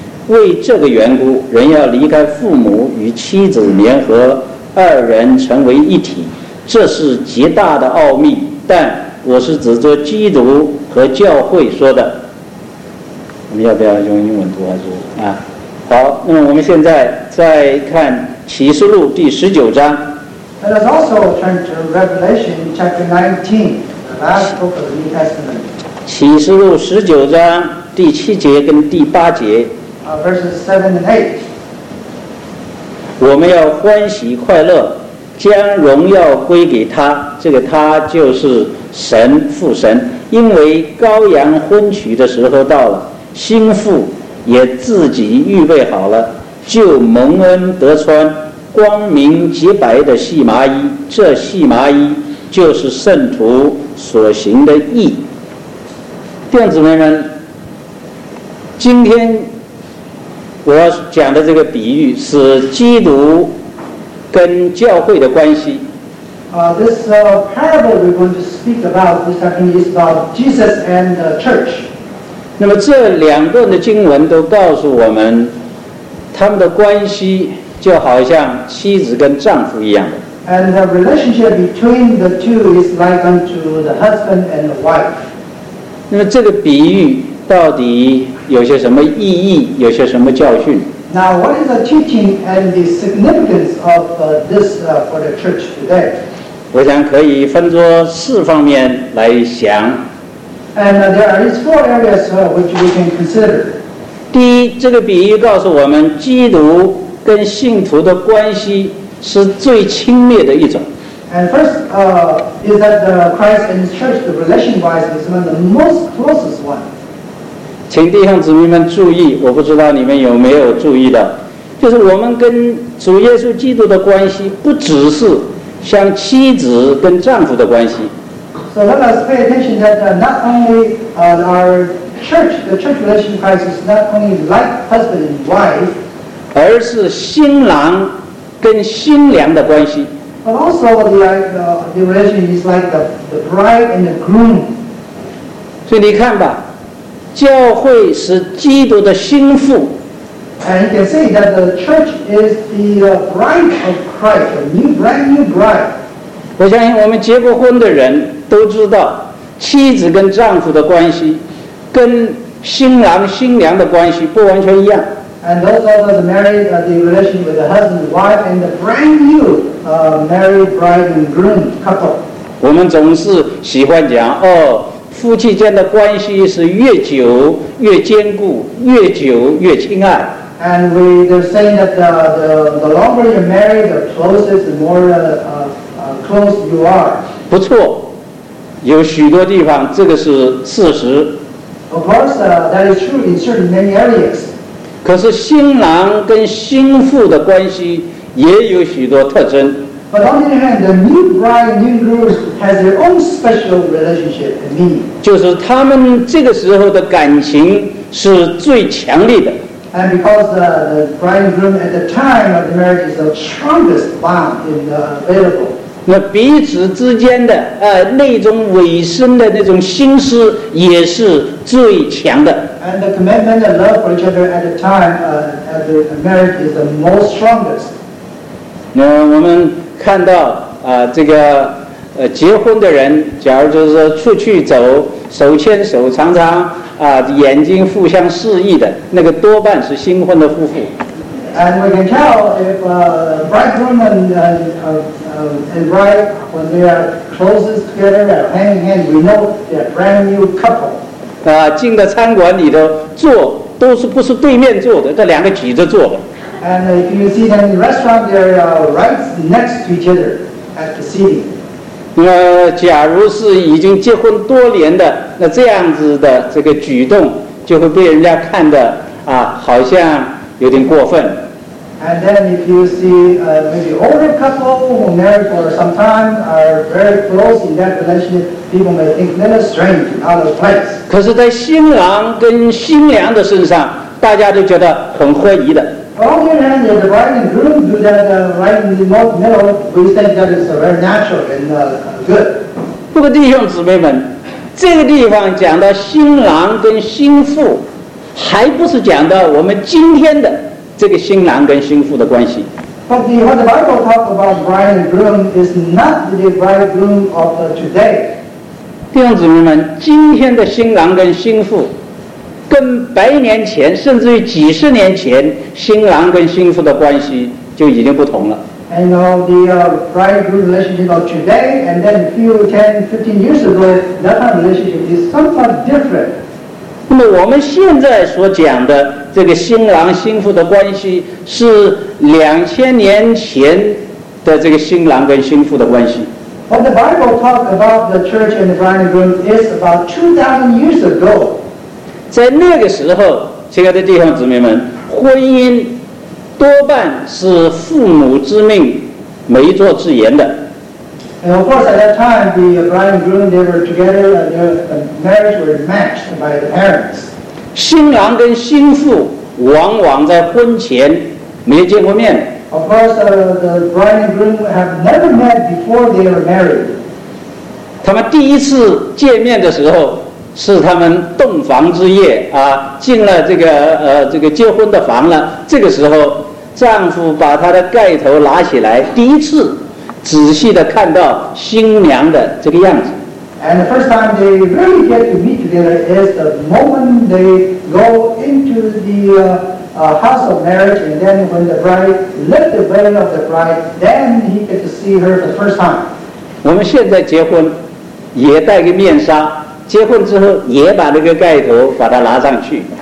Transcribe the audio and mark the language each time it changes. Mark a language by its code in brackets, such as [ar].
[zh] 为这个缘故，人要离开父母与妻子联合，二人成为一体，这是极大的奥秘，但我是指着基督和教会说的。我们要不要用英文读还是啊？好，那么我们现在再看启示录第十九章。 [en] Let us also turn to Revelation chapter 19, the last book of the New Testament. [zh] 启示录十九章第七节跟第八节。 [en] Verses 7 and 8. [zh] 我们要欢喜快乐，将荣耀归给他。这个他就是神父神，因为羔羊婚娶的时候到了。心腹也自己预备好了，就蒙恩得穿光明洁白的细麻衣，这细麻衣就是圣徒所行的义。弟兄姊妹们，今天我要讲的这个比喻是基督跟教会的关系。 [en] This parable we're going to speak about this afternoon is about Jesus and the church. [zh] 那么这两段的经文都告诉我们，他们的关系就好像妻子跟丈夫一样的。 [en] And the relationship between the two is like unto the husband and the wife. [zh] 那么这个比喻到底有些什么意义，有些什么教训？ [en] Now, what is the teaching and the significance of this for the church today? [zh] 我想可以分作四方面来想。 [en] And there are these four areas which we can consider. [zh] 第一，这个比喻告诉我们，基督跟信徒的关系是最亲密的一种。 [en] And first, is that the Christ and His church, the relation-wise, is one of the most closest one. [zh] 请弟兄姊妹们注意，我不知道你们有没有注意的，就是我们跟主耶稣基督的关系，不只是像妻子跟丈夫的关系。 [en] So let us pay attention that not only our church, the church relation with Christ is not only like husband and wife, [zh] 而是新郎跟新娘的关系。 [en] But also the relation is like the bride and the groom. [zh] 所以你看吧，教会是基督的心腹。 [en] And you can see that the church is the bride of Christ, a new, brand new bride. [zh] 我相信我们结过婚的人都知道，妻子跟丈夫的关系跟新郎新娘的关系不完全一样。 [en] And those of us married, the relation with the husband, wife, and the brand new married bride and groom couple. [zh] 我们总是喜欢讲哦，夫妻间的关系是越久越坚固，越久越亲爱。 [en] And we are saying that the longer you're married, the closer, the more close you are. [zh] 不错，有许多地方这个是事实。 [en] Of course, that is true in certain many areas. [zh] 可是新郎跟新妇的关系也有许多特征。 [en] But on the other hand, the new bride and new groom has their own special relationship and meaning. [zh] 就是他们这个时候的感情是最强烈的。 [en] And because the bride and groom at the time of the marriage is the strongest bond in the available. [zh] 那彼此之间的那种委身的那种心思也是最强的。 [en] And the commitment and love for each other at the time of the marriage is the most strongest. [zh] 那我们看到这个结婚的人，假如就是出去走，手牵手，常常眼睛互相示意的，那个多半是新婚的夫妇。 [en] And we can tell if bridegroom and bride, when they are closest together, they're hand in hand, we know they're brand new couple. [zh] 进的餐馆里头坐都是不是对面坐的，这两个挤着坐的。 [en] And if you see them in the restaurant, they're right next to each other at the seating. [zh] 假如是已经结婚多年的，那这样子的这个举动就会被人家看得好像有点过分。 [en] And then if you see maybe older couple who married for some time are very close in that relationship, people may think that is strange and out of place. [zh] 可是在新郎跟新娘的身上，大家都觉得很欢宜的。 [en] On the other hand, the bride and groom do that right in the middle, we think that is very natural and good. [zh] 不过弟兄姊妹们，这个地方讲到新郎跟新妇，还不是讲到我们今天的这个新郎跟新妇的关系。 [en] But what the Bible talks about bride and groom is not the bride and groom of today. [zh] 弟兄姊妹们，今天的新郎跟新妇跟百年前甚至于几十年前新郎跟新妇的关系就已经不同了。 [en] And the bride and groom relationship of today and then a few 10-15 years ago, that kind of relationship is somewhat different. [zh] 那么我们现在所讲的这个新郎新妇的关系是2000年前的这个新郎跟新妇的关系。 [en] What the Bible talks about the church and the bride and groom is about 2000 years ago. [zh] 在那个时候，亲爱的弟兄姊妹们，婚姻多半是父母之命，媒妁之言的。 [en] And of course, at that time, the bride and groom they were together, and the marriage were matched by the parents. [zh] 新郎跟新妇往往在婚前没见过面。 [en] Of course, the bride and groom have never met before they were married. [zh] 他们第一次见面的时候，是他们洞房之夜啊，进了这个这个结婚的房了。这个时候，丈夫把他的盖头拿起来，第一次仔细的看到新娘的这个样子。 [en] And the first time they really get to meet together is the moment they go into the house of marriage, and then when the bride lift the veil of the bride, then he gets to see her for the first time. [zh] 我们现在结婚也戴个面纱。结婚之后也把那个盖头把它拿上去。